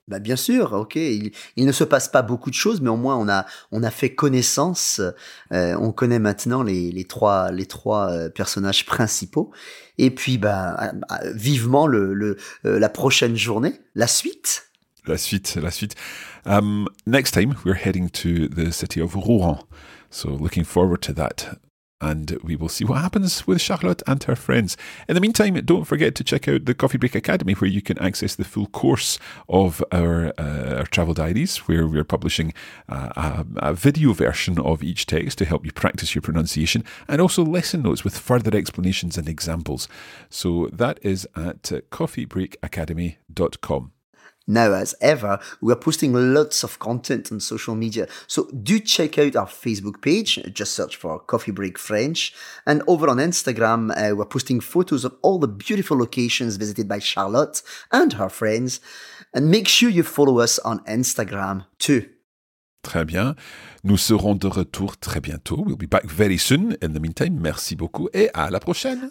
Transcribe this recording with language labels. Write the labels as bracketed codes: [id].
[fr] Bah bien sûr, ok. Il ne se passe pas beaucoup de choses, mais au moins on a fait connaissance. On connaît maintenant les trois personnages principaux. Et puis vivement la prochaine journée, la suite. La suite. [en] Next time we're heading to the city of Rouen, so looking forward to that. And we will see what happens with Charlotte and her friends. In the meantime, don't forget to check out the Coffee Break Academy, where you can access the full course of our travel diaries, where we're publishing a video version of each text to help you practice your pronunciation, and also lesson notes with further explanations and examples. So that is at coffeebreakacademy.com. Now, as ever, we are posting lots of content on social media. So do check out our Facebook page. Just search for Coffee Break French. And over on Instagram, we're posting photos of all the beautiful locations visited by Charlotte and her friends. And make sure you follow us on Instagram too. [fr] Très bien. Nous serons de retour très bientôt. [en] We'll be back very soon. In the meantime, [fr] merci beaucoup et à la prochaine.